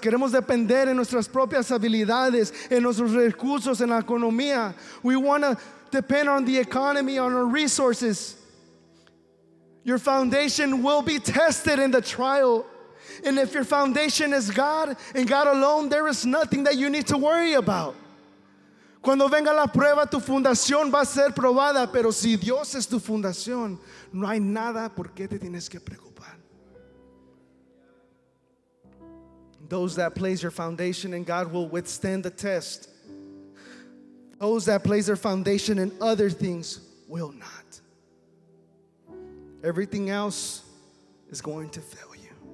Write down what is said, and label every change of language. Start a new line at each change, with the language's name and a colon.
Spanish: Queremos depender en nuestras propias habilidades, en nuestros recursos, en la economía.
English: We want to depend on the economy, on our resources. Your foundation will be tested in the trial. And if your foundation is God and God alone, there is nothing that you need to worry about.
Spanish: Cuando venga la prueba, tu fundación va a ser probada. Pero si Dios es tu fundación, no hay nada por qué te tienes que preocupar.
English: Those that place your foundation in God will withstand the test. Those that place their foundation in other things will not. Everything else is going to fail you.